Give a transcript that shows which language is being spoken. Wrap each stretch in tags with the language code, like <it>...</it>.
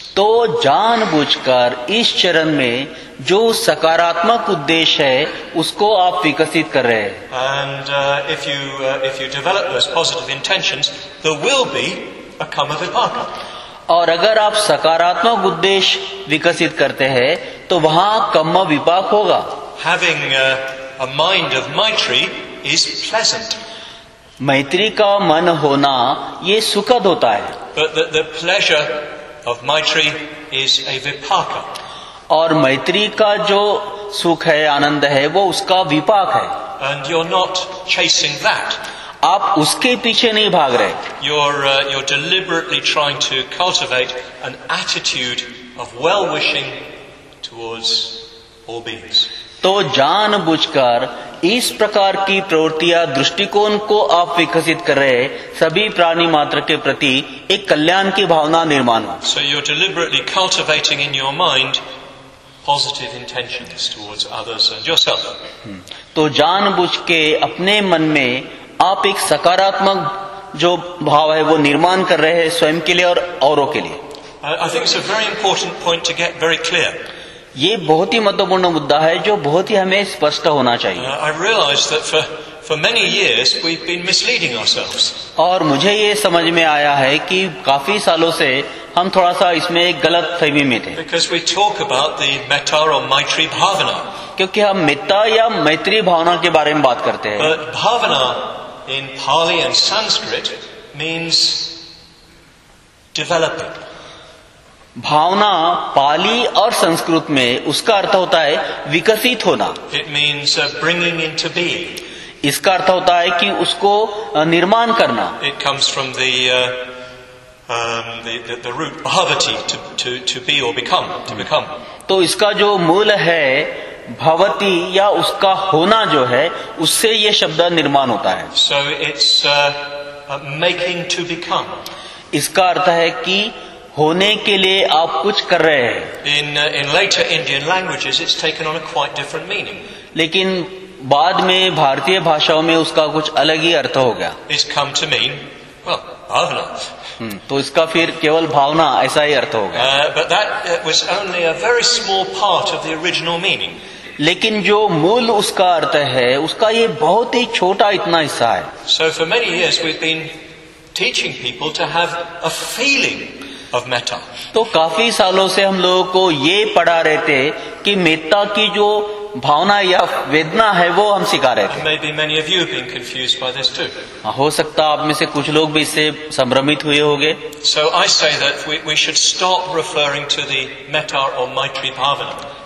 <hi>तो जानबूझकर इस चरण में जो सकारात्मक उद्देश्य है उसको आप विकसित कर रहे हैं.</hi> <en>And if you develop those positive intentions, there will be a karma vipaka.</en> <hi>और अगर आप सकारात्मक उद्देश्य विकसित करते हैं तो वहाँ कर्म विपाक होगा.</hi> <en>Having a mind of maitri is pleasant.</en> <hi>मैत्री का मन होना ये सुखद होता है.</hi> <en>But the pleasure of maitri is a vipaka.</en> <hi>और मैत्री का जो सुख है, आनंद है, वो उसका विपाक है.</hi> <en>And you're not chasing that.</en> <hi>आप उसके पीछे नहीं भाग रहे.</hi> <en>You're deliberately trying to cultivate an attitude of well-wishing towards all beings.</en> <hi>तो जानबूझकर इस प्रकार की प्रवृत्तियां, दृष्टिकोण को आप विकसित कर रहे हैं, सभी प्राणी मात्र के प्रति एक कल्याण की भावना निर्माण.</hi> <en>So you're deliberately cultivating in your mind positive intentions towards others and yourself.</en> <hi>तो जानबूझ के अपने मन में आप एक सकारात्मक जो भाव है वो निर्माण कर रहे हैं स्वयं के लिए और औरों के लिए.</hi> <en>I think it's a very important point to get very clear.</en> <hi>ये बहुत ही महत्वपूर्ण मुद्दा है जो बहुत ही हमें स्पष्ट होना चाहिए.</hi> <en>I realized that for many years we've been misleading ourselves.</en> <hi>और मुझे ये समझ में आया है कि काफी सालों से हम थोड़ा सा इसमें गलत फहमी में थे.</hi> <en>Because we talk about the metta or maitri bhavana.</en> <hi>क्योंकि हम मित्ता या मैत्री भावना के बारे में बात करते हैं.</hi> <en>But bhavana in Pali and Sanskrit means developing.</en> <hi>भावना पाली और संस्कृत में उसका अर्थ होता है विकसित होना.</hi> <en>It means bringing into being.</en> <hi>इसका अर्थ होता है कि उसको निर्माण करना.</hi> <en>It comes from the the root bhavati, to be or become, to become.</en> <hi>तो इसका जो मूल है भवति या उसका होना जो है उससे ये शब्द निर्माण होता है.</hi> <en>So it's making to become.</en> <hi>इसका अर्थ है कि होने के लिए आप कुछ कर रहे हैं.</hi> <en>In later Indian languages, it's taken on a quite different meaning.</en> <hi>लेकिन बाद में भारतीय भाषाओं में उसका कुछ अलग ही अर्थ हो गया.</hi> <en>It's come to mean, well, भावना.</en> <hi>तो इसका फिर केवल भावना ऐसा ही अर्थ हो गया.</hi> <en>But that was only a very small part of the original meaning.</en> <hi>लेकिन जो मूल उसका अर्थ है उसका ये बहुत ही छोटा इतना हिस्सा है.</hi> <en>So for many years we've been teaching people to have a feeling of metta.</en> <hi>तो काफी सालों से हम लोगों को ये पढ़ा रहे थे कि मेत्ता की जो भावना या वेदना है वो हम सिखा रहे थे.</hi> <en>Maybe many of you have been confused by this too.</en> <hi>हो सकता आप में से कुछ लोग भी इससे संभ्रमित हुए होंगे.</hi> <en>So I say that we should stop referring to the metta or maitri bhavana.</en>